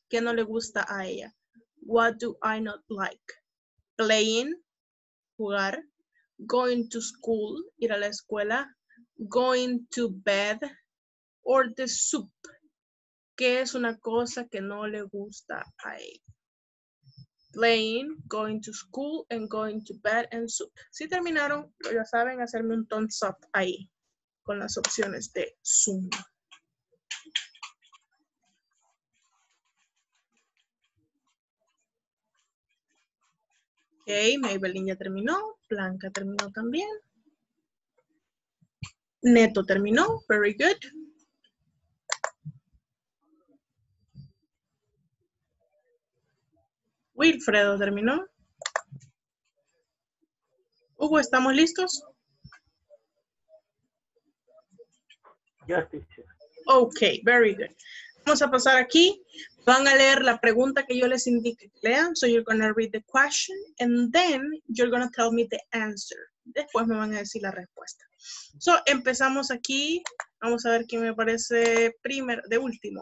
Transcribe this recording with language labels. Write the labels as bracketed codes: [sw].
[es] ¿Qué no le gusta a ella? [en] What do I not like? Playing, [es] jugar. [en] Going to school, [es] ir a la escuela. [en] Going to bed. Or the soup. [es] ¿Qué es una cosa que no le gusta a ella? [en] Playing, going to school, and going to bed, and soup. [es] Si terminaron, ya saben, hacerme un thumbs up ahí con las opciones de Zoom. Okay, Maybelline ya terminó. Blanca terminó también. Neto terminó. [en] Very good. [es] Wilfredo terminó. Hugo, ¿estamos listos? Ya, teacher. [en] Ok, very good. [es] Vamos a pasar aquí. Van a leer la pregunta que yo les indique que lean. [en] So you're going to read the question and then you're going to tell me the answer. [es] Después me van a decir la respuesta. So empezamos aquí. Vamos a ver quién me parece primero, de último.